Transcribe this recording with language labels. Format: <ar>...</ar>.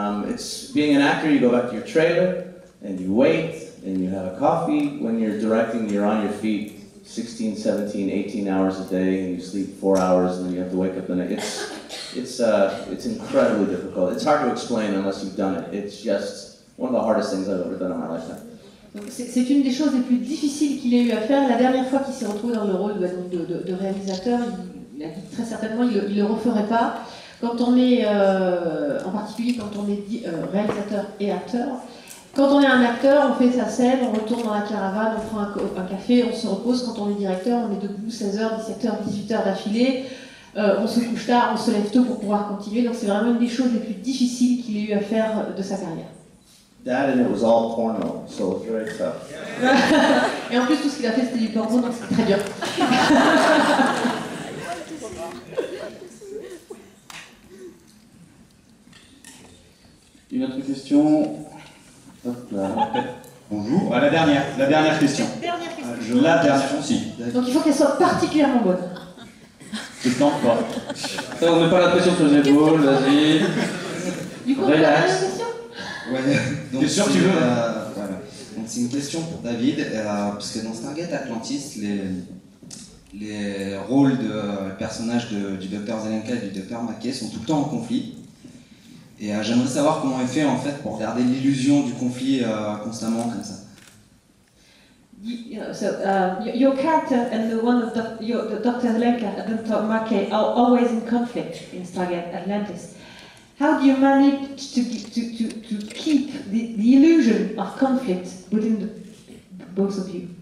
<en>It's being an actor, you go back to your trailer, and you wait, and you have a coffee. When you're directing, you're on your feet 16, 17, 18 hours a day, and you sleep 4 hours, and then you have to wake up the next. It's incredibly difficult. It's hard to explain unless you've done it. It's just one of the hardest things I've ever done in my lifetime.</en> <fr>Donc c'est une des choses les plus difficiles qu'il ait eu à faire. La dernière fois qu'il s'est retrouvé dans le rôle de réalisateur, il a dit très certainement qu'il ne le referait pas. Quand on est, en particulier quand on est dit réalisateur et acteur, quand on est un acteur, on fait sa scène, on retourne dans la caravane, on prend un café, on se repose. Quand on est directeur, on est debout 16h, 17h, 18h d'affilée. On se couche tard, on se lève tôt pour pouvoir continuer. Donc c'est vraiment une des choses les plus difficiles qu'il ait eu à faire de sa carrière.</fr> <en>That and it was all porno, so it's very tough.</en> <fr>Et en plus, tout ce qu'il a fait, c'était du porno, donc c'est très dur. Une autre question. Hop là. Bonjour. Ah, la dernière question. Donc il faut qu'elle soit particulièrement bonne. C'est temps, quoi. Ça, on met pas la pression sur les épaules, vas-y. Du coup, relax. Ouais, donc, sûr, tu veux. Voilà. Donc c'est une question pour David, parce que dans Stargate Atlantis, les rôles de personnages du Dr Zelenka et du Dr Mackay sont tout le temps en conflit, et j'aimerais savoir comment est fait en fait pour garder l'illusion du conflit constamment comme ça.</fr> <en>Your character and the one of the Dr Zelenka and Dr Mackay are always in conflict in Stargate Atlantis. How do you manage to keep the illusion of conflict within both of you?</en>